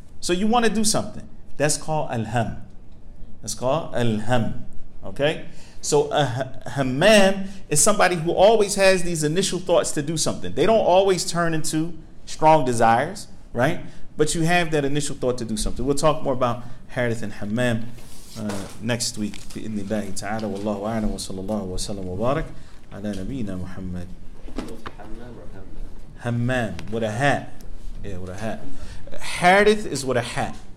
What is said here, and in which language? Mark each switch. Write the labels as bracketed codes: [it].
[en] So you want to do something. That's called al-ham. That's called al-ham. Okay? So a hammam is somebody who always has these initial thoughts to do something. They don't always turn into strong desires, right? But you have that initial thought to do something. We'll talk more about Harith and Hammam next week. [ar] بإذن الله تعالى والله أعلم وصلى الله وسلم وبارك على نبينا محمد. [en] Hammam or Hammam? Hammam, with a hat. Yeah, with a hat. Harith is with a hat.